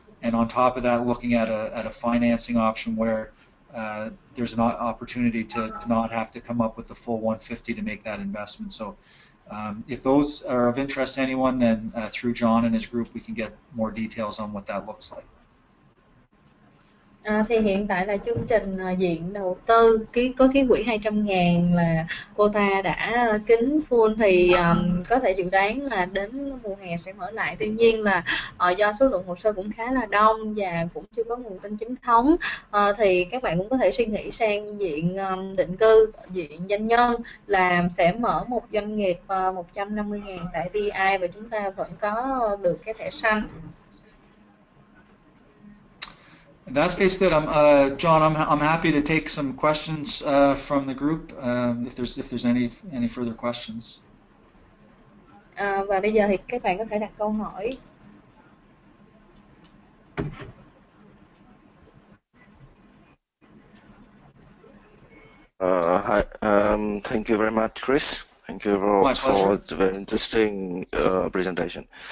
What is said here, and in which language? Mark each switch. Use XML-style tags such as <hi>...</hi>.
<en>And on top of that, looking at a financing option where there's an opportunity to not have to come up with the full $150,000 to make that investment. So if those are of interest to anyone, then through John and his group, we can get more details on what that looks like.</en> <vi>Thì hiện tại là chương trình diện đầu tư có ký quỹ 200.000 là quota đã kín full, thì có thể dự đoán là đến mùa hè sẽ mở lại. Tuy nhiên là do số lượng hồ sơ cũng khá là đông và cũng chưa có nguồn tin chính thống, thì các bạn cũng có thể suy nghĩ sang diện định cư, diện doanh nhân là sẽ mở một doanh nghiệp 150.000 tại PEI và chúng ta vẫn có được cái thẻ xanh.</vi> <en>That's basically it. John, I'm happy to take some questions from the group if there's any further questions.</en> <vi>Và bây giờ thì các bạn có thể đặt câu hỏi.</vi> <en>Hi. Thank you very much, Chris. Thank you for the very interesting presentation.</en>